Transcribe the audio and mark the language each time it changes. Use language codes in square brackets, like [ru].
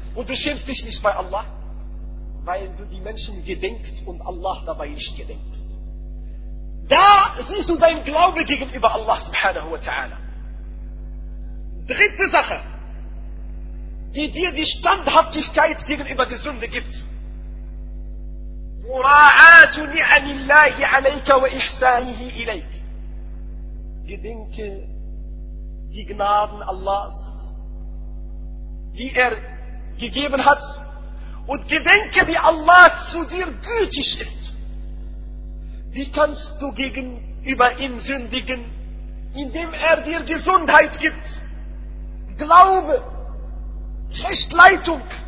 [de] Und du schämst dich nicht bei Allah. Weil du die Menschen gedenkst und Allah dabei nicht gedenkst. Da siehst du dein Glaube gegenüber Allah subhanahu wa ta'ala. Dritte Sache, die dir die Standhaftigkeit gegenüber der Sünde gibt. [ar] مراعات نعم الله عليك وإحسانه إليك. [de] Gedenke die Gnaden Allahs, die gegeben hat, und gedenke, wie Allah zu dir gütig ist. Wie kannst du gegenüber ihm sündigen, indem dir Gesundheit gibt, Glaube, Rechtleitung.